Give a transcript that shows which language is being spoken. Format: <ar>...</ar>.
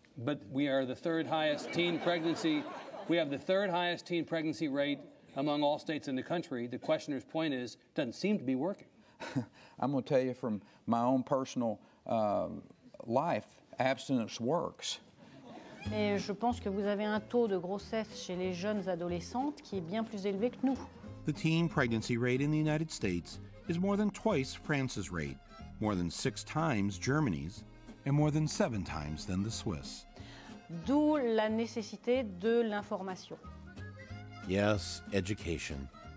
<en>But we are the third highest teen pregnancy. We have the third highest teen pregnancy rate among all states in the country. The questioner's point is, doesn't seem to be working. I'm going to tell you from my own personal life, abstinence works.</en> <fr>Mais je pense que vous avez un taux de grossesse chez les jeunes adolescentes qui est bien plus élevé que nous.</fr> <en>The teen pregnancy rate in the United States is more than twice France's rate, more than six times Germany's, and more than seven times than the Swiss.</en> <fr>D'où la nécessité de l'information.</fr> <en>Yes, education.</en>